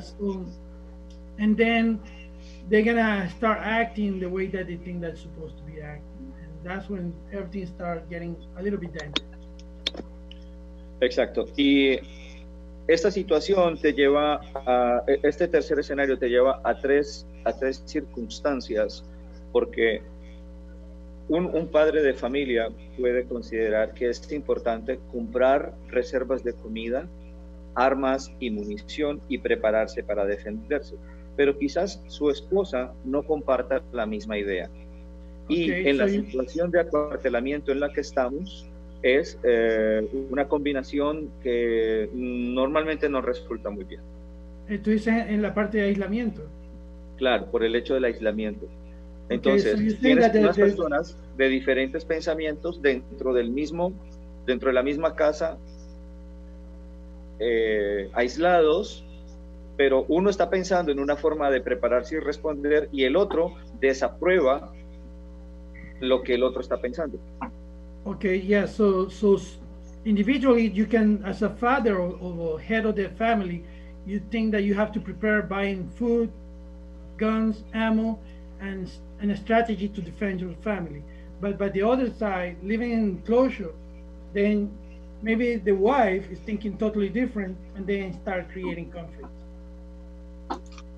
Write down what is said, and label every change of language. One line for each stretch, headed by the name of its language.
English: So, and then they're gonna start acting the way that they think that's supposed to be acting, and that's when everything starts getting a little bit dangerous.
Spanish: Exacto. Y esta situación te lleva a este tercer escenario, te lleva a tres circunstancias, porque un padre de familia puede considerar que es importante comprar reservas de comida, armas y munición y prepararse para defenderse. Pero quizás su esposa no comparta la misma idea. Okay, y en la situación de acuartelamiento en la que estamos, es una combinación que normalmente no resulta muy bien. ¿Tú dices en la parte de aislamiento? Claro, por el hecho del aislamiento. Entonces, okay, so tienes unas personas de diferentes pensamientos dentro de la misma casa, aislados, pero uno está pensando en una forma de prepararse y responder, y el otro desaprueba lo que el otro está pensando.
English: Okay, yeah, so individually you can, as a father or head of the family, you think that you have to prepare buying food, guns, ammo, and a strategy to defend your family. But by the other side, living in closure, then maybe the wife is thinking totally different and then start creating conflict.